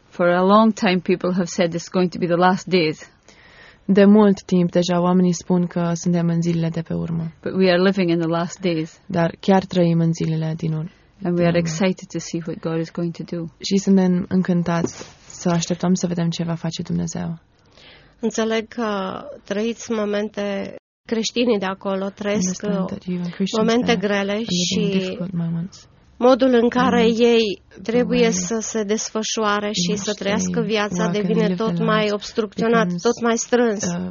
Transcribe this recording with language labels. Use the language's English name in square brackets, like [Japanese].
[English] For a long time people have said it's going to be the last days. [Romanian] De mult timp deja oamenii spun că suntem în zilele de pe urmă. [English] But we are living in the last days. [Romanian] Dar chiar trăim în zilele din urmă. [English] And we are excited to see what God is going to do. [Romanian] Și suntem încântați să așteptăm să vedem ce va face Dumnezeu. Înțeleg că trăiți momente creștinii de acolo trăiesc momente grele și modul în care ei trebuie să se desfășoare și să trăiască viața devine tot mai obstrucționat, tot mai strâns.